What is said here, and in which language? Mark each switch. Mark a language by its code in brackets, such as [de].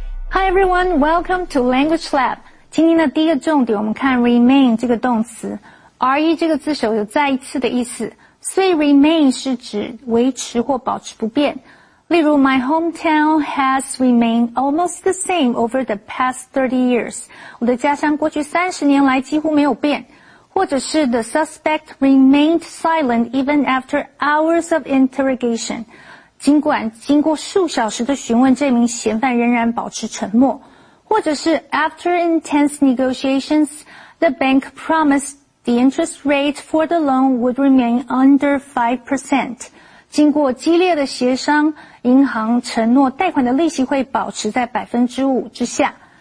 [en] Hi everyone, welcome to Language Lab. [zh] 今天的第一个重点，我们看 remain 这个动词 ，re 这个字首有再一次的意思，所以 remain 是指维持或保持不变。例如 [en] ，My hometown has remained almost the same over the past 30 years。 [zh] 我的家乡过去30年来几乎没有变。或者是 [en] The suspect remained silent even after hours of interrogation。 [zh] 尽管经过数小时的询问，这名嫌犯仍然保持沉默。或者是 [en] after intense negotiations, the bank promised the interest rate for the loan would remain under 5%. [zh] 经过激烈的协商，银行承诺贷款的利息会保持在 5% 之下。